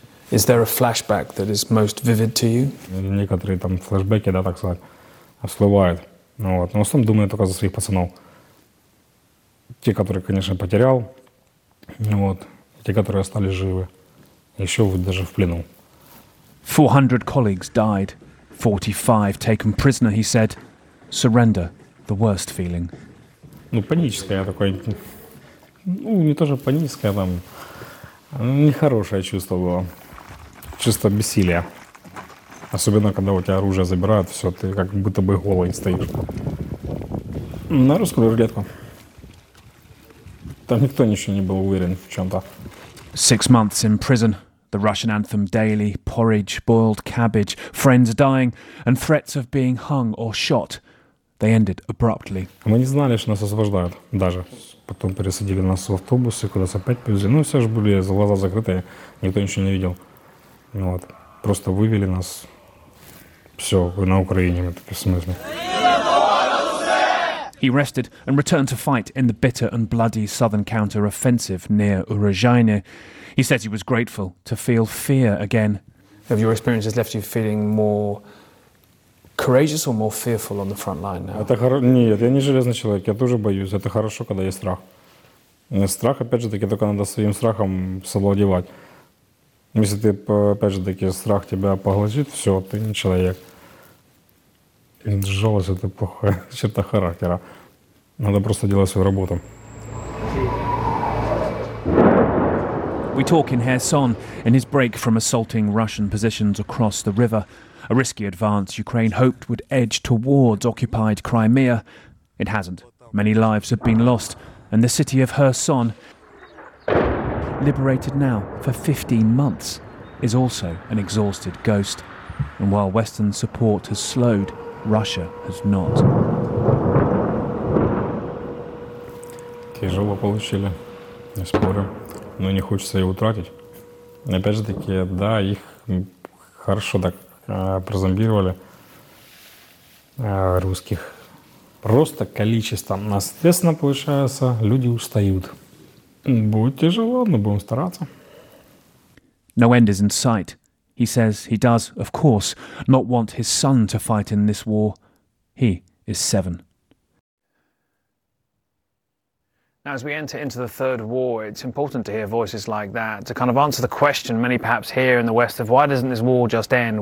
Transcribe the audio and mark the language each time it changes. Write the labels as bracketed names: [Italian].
[English] Is there a flashback that is most vivid to you? [Russian] Некоторые там флешбеки, да, так сказать, всплывают. Ну вот, но в основном думаю только за своих пацанов. Те, которые, конечно, потерял. Вот. Те, которые остались живы. [English] 400 colleagues died, 45 taken prisoner, he said. Surrender, the worst feeling. [Russian] Ну, паническое такое, ну, не тоже паническое, там, нехорошее чувство было. Чувство бессилия. Особенно, когда у тебя оружие забирают, все, ты как будто бы голый стоишь. На русскую рулетку. Там никто ничего не был уверен в чем-то. [English] 6 months in prison. The Russian anthem daily, porridge, boiled cabbage, friends dying, and threats of being hung or shot. They ended abruptly. [Russian] Мы не знали, что нас освобождают даже. Потом пересадили нас в автобусы, куда-то опять повезли. Ну, все же были глаза закрытые, никто ничего не видел. Вот. Просто вывели нас. Все, вы на Украине, в этом смысле. [English] He rested and returned to fight in the bitter and bloody southern counter-offensive near Urozhaine. He says he was grateful to feel fear again. Have your experiences left you feeling more courageous or more fearful on the front line now? [Russian] Нет, я не железный человек, я тоже боюсь. Это хорошо, когда есть страх. Страх, опять же таки, только надо своим страхом совладевать. Если ты, опять же таки, страх тебя поглотит, все, ты не человек. Жалость – это плохая черта характера. Надо просто делать свою работу. [English] We talk in Kherson, in his break from assaulting Russian positions across the river, a risky advance Ukraine hoped would edge towards occupied Crimea. It hasn't. Many lives have been lost, and the city of Kherson, liberated now for 15 months, is also an exhausted ghost. And while Western support has slowed, Russia has not. [Russian] Тяжело получили, не спорю. Но не хочется его утратить. Опять же таки, да, их хорошо так прозомбировали русских. Просто количество. Естественно, получается, люди устают. Будет тяжело, но будем стараться. [English] No end is in sight. He says he does, of course, not want his son to fight in this war. He is 7. Now, as we enter into the third war, it's important to hear voices like that to kind of answer the question many perhaps hear in the West of why doesn't this war just end?